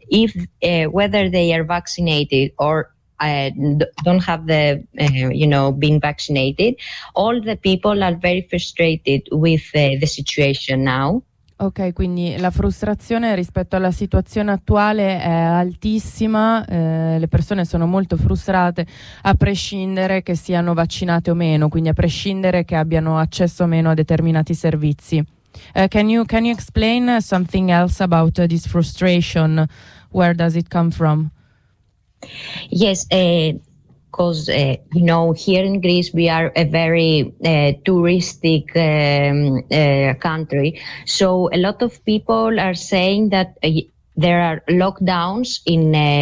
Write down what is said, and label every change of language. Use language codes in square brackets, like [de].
[en] If whether they are vaccinated or don't have the, you know, being vaccinated, all the people are very frustrated with the situation now. [it] Ok, quindi la frustrazione rispetto alla situazione attuale è altissima, le persone sono molto frustrate a prescindere che siano vaccinate o meno, quindi a prescindere che abbiano accesso o meno a determinati servizi. [en] Can you explain something else about this frustration? Where does it come from? Yes, because you know, here in Greece we are a very touristic country, so a lot of people are saying that there are lockdowns in